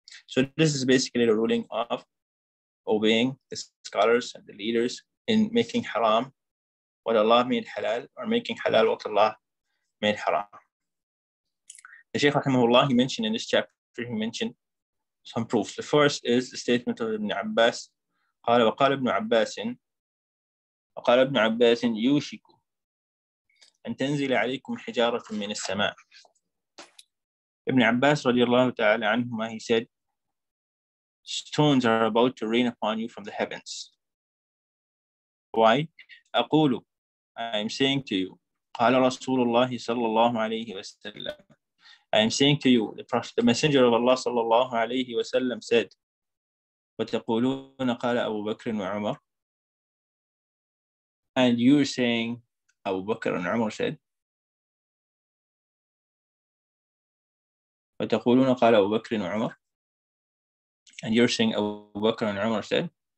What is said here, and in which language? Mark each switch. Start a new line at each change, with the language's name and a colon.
English: So this is basically the ruling of obeying the scholars and the leaders in making haram what Allah made halal, or making halal what Allah made haram. The Shaykh rahimahullah, he mentioned in this chapter, he mentioned some proofs. The first is the statement of Ibn Abbas.
Arabic: قال وقال ابن عباس وقال ابن عباس يوشك أن تنزل عليكم حجارة من السماء.
English: Ibn Abbas radiallahu ta'ala anhuma, he said, stones are about to rain upon you from the heavens. Why?
Arabic: أقول,
English: I am saying to you,
Arabic: قال رسول الله صلى الله عليه وسلم,
English: I am saying to you, the Messenger of Allah
Arabic: صلى الله عليه وسلم
English: said,
Arabic: وتقولون قال أبو بكر وعمر,
English: and you are saying, Abu Bakr and Umar said, وتقولون قال أبو بكر وعمر, and you're saying Abu Bakr and Umar said.